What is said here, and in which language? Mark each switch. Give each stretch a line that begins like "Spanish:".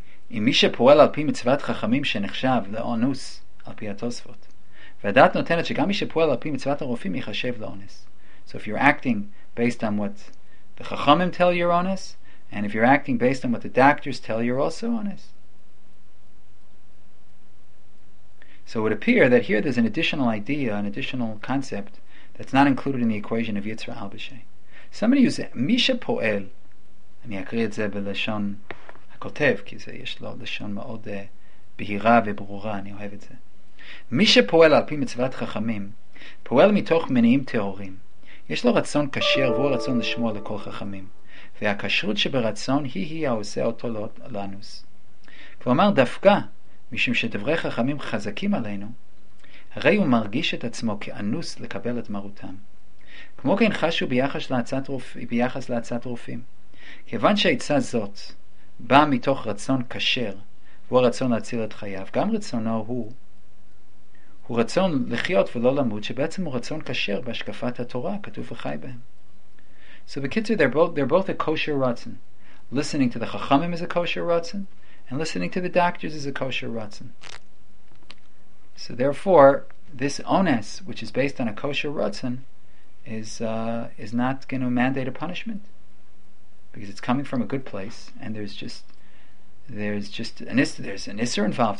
Hebrew: אם מי שפועל על פי מצוות חכמים שנחשב לאונוס על פי התוספות, והדעת נותנת שגם מי שפועל על פי מצוות הרופאים יחשב לאונס.
English: So if you're acting based on what the chachamim tell you're onus, and if you're acting based on what the doctors tell you're also onus. So it would appear that here there's an additional idea, an additional concept that's not included in the equation of Yitzra Al-Bashay. Somebody who's
Hebrew: מי שפועל, אני אקריא את זה בלשון כותב, כי זה יש לו לשון מאוד בהירה וברורה, אני אוהב את זה. מי שפועל על פי מצוות חכמים, פועל מתוך מניעים טהורים. יש לו רצון כשר והוא רצון לשמוע לכל חכמים. והכשרות שברצון היא העושה אותו לנוס. כלומר, דווקא, משום שדברי חכמים חזקים עלינו, הרי הוא מרגיש את עצמו כאנוס לקבל את מרותם. כמו כן חשו ביחס להצעת רופאים. כיוון שהעצה זאת באה מתוך רצון כשר, והוא הרצון להציל את חייו, גם רצונו הוא רצון לחיות ולא למות, שבעצם הוא רצון כשר בהשקפת התורה, כתוב וחי בהם.
English: So the kids are they're both a kosher rotzen. Listening to the chachamim is a kosher rotzen, and listening to the doctors is a kosher rotzen. So therefore, this ones which is based on a kosher rotzen is not going to mandate a punishment, because it's coming from a good place, and there's an isser involved.